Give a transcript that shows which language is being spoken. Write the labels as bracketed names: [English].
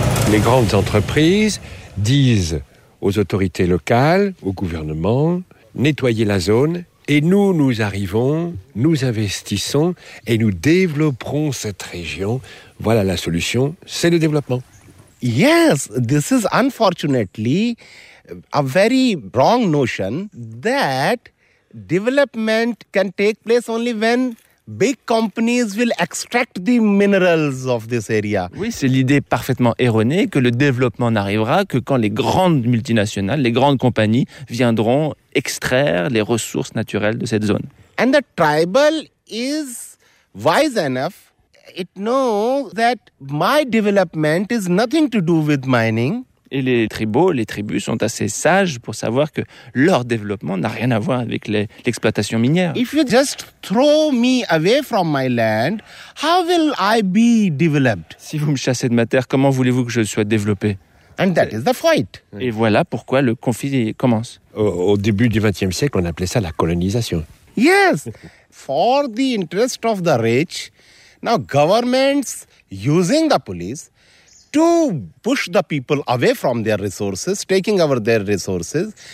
[French] Les grandes entreprises disent aux autorités locales, au gouvernement, nettoyez la zone et nous arrivons, nous investissons et nous développerons cette région. Voilà la solution, c'est le développement. [English] Yes, this is unfortunately a very wrong notion that development can take place only when big companies will extract the minerals of this area. [French] Oui, c'est l'idée parfaitement erronée que le développement n'arrivera que quand les grandes multinationales, les grandes compagnies viendront extraire les ressources naturelles de cette zone. [English] And the tribal is wise enough. It knows that my development is nothing to do with mining. [French] Et les tribus sont assez sages pour savoir que leur développement n'a rien à voir avec l'exploitation minière. [English] If you just throw me away from my land, how will I be developed? [French] Si vous me chassez de ma terre, comment voulez-vous que je sois développé? [English] And that is the fight. [French] Et voilà pourquoi le conflit commence. Au début du XXe siècle, on appelait ça la colonisation. [English] Yes, for the interest of the rich. Now, governments using the police to push the people away from their resources, taking over their resources.